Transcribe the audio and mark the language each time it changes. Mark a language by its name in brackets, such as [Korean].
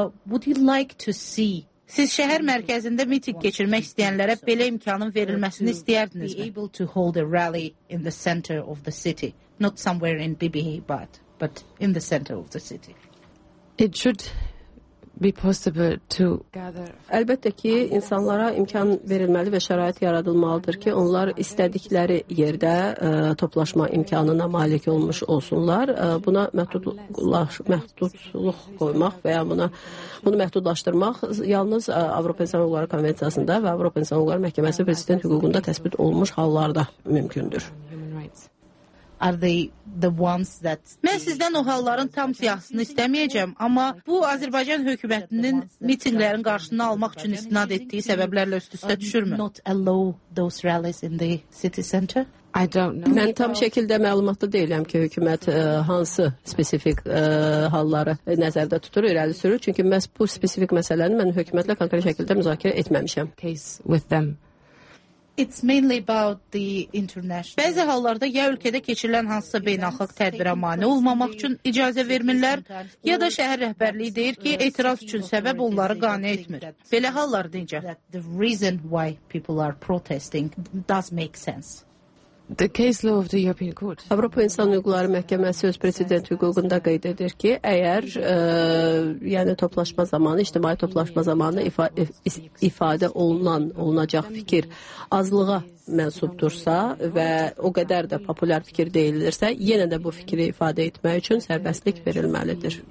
[English] Would you like to see [Azerbaijani] Siz şəhər mərkəzində miting keçirmək istəyənlərə belə imkanın verilməsini istəyərdiniz mi? [English] Able to hold a rally in the center of the city. Not somewhere in Bibihi, but in the center of the city. It should be possible to gather. [Azerbaijani] Əlbəttə ki, insanlara imkan verilməli və şərait yaradılmalıdır ki, onlar istədikləri yerdə toplaşma imkanına malik olmuş olsunlar. Buna məhdudluq qoymaq və ya bunu məhdudlaşdırmaq yalnız Avropa İnsan Hüquqları Konvensiyasında və Avropa İnsan Hüquqları Məhkəməsi prezident hüququnda təsbit olunmuş hallarda mümkündür. [English] Are they the ones that [Azerbaijani] Mən sizdən o halların tam siyahısını istəməyəcəm, amma bu Azərbaycan hökumətinin mitinqlərin qarşısını almaq üçün istinad etdiyi səbəblərlə üst-üstə düşürmü? [English] Not allow those rallies in the city center? I don't know. [Azerbaijani] Mən tam şəkildə məlumatlı deyiləm ki, hökumət hansı spesifik halları nəzərdə tutur, irəli sürür, çünki məhz bu spesifik məsələni mən hökumətlə konkret şəkildə müzakirə etməmişəm. [English] Case with them. It's mainly about the international. [Azerbaijani] Bəzi hallarda ya ölkədə keçirilən hansısa beynəlxalq tədbirə mane olmamaq üçün icazə vermirlər, ya da şəhər rəhbərliyi deyir ki, etiraz üçün səbəb onları qane etmir. Belə hallar necə? [English] The reason why people are protesting does make sense. The case law of the European Court. [Azerbaijani] Avropa İnsan Hüquqları Məhkəməsi öz prezident hüququnda qeyd edir ki, əgər toplaşma zamanı, ictimai toplaşma zamanı ifadə olunacaq fikir azlığa mənsubdursa və o qədər də populyar fikir deyilirsə, yenə də bu fikri ifadə etmək üçün sərbəstlik verilməlidir.